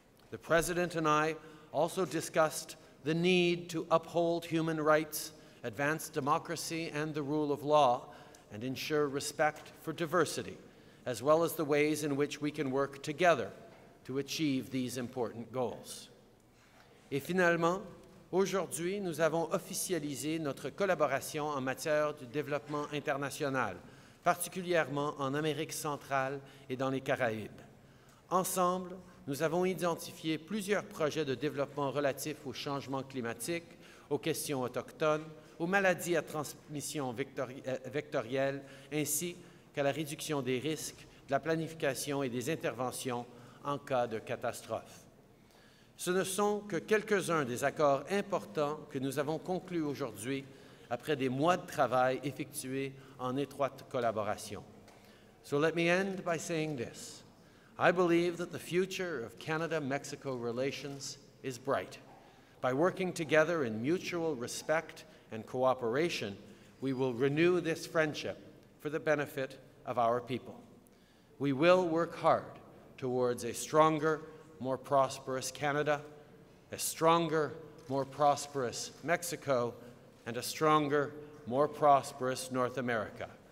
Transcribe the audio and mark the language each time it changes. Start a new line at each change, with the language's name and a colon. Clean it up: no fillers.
English: The President and I also discussed the need to uphold human rights, advance democracy and the rule of law, and ensure respect for diversity, as well as the ways in which we can work together to achieve these important goals.
French: Et finalement, aujourd'hui, nous avons officialisé notre collaboration en matière de développement international, particulièrement en Amérique centrale et dans les Caraïbes. Ensemble, nous avons identifié plusieurs projets de développement relatifs au changement climatique, aux questions autochtones, aux maladies à transmission vectorielle, ainsi qu'à la réduction des risques, de la planification et des interventions en cas de catastrophe. Ce ne sont que quelques-uns des accords importants que nous avons conclus aujourd'hui après des mois de travail effectués en étroite collaboration.
English: So let me end by saying this. I believe that the future of Canada-Mexico relations is bright. By working together in mutual respect and cooperation, we will renew this friendship for the benefit of our people. We will work hard towards a stronger, more prosperous Canada, a stronger, more prosperous Mexico, and a stronger, more prosperous North America.